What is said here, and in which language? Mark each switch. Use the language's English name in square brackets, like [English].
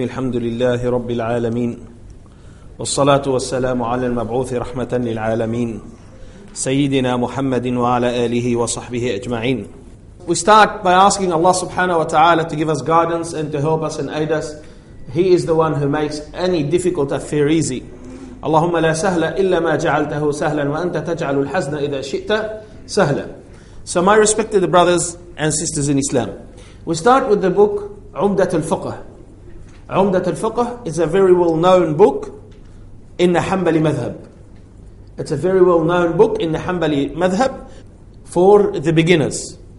[Arabic] الحمد لله رب العالمين، والصلاة والسلام على المبعوث رحمة للعالمين سيدنا محمد وعلى آله وصحبه أجمعين. [English] We start by asking Allah subhanahu wa ta'ala to give us guidance and to help us and aid us. He is the one who makes any difficult affair easy. [Arabic] اللهم لا سهل إلا ما جعلته سهلا وأنت تجعل الحزن إذا شئت سهلا. [English] So my respected brothers and sisters in Islam, we start with the book عمدت الفقه. عمدت الفقه is a very well known book in the Hanbali madhab. It's a very well known book in the Hanbali madhab for the beginners.